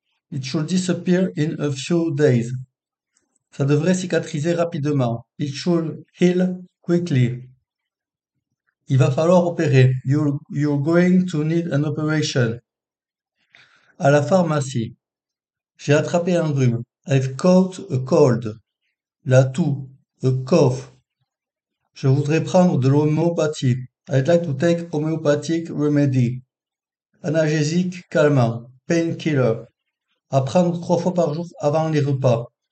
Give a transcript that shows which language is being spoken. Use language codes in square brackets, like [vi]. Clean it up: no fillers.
[en] It should disappear in a few days. [fr] Ça devrait cicatriser rapidement. [en] It should heal quickly. [fr] Il va falloir opérer. [en] You're going to need an operation. [fr] À la pharmacie. J'ai attrapé un rhume. [en] I've caught a cold. [fr] La toux. [en] A cough. [fr] Je voudrais prendre de l'homéopathie. [en] I'd like to take homeopathic remedy. [fr] Analgésique, calmant, painkiller. À prendre 3 fois par jour avant les repas.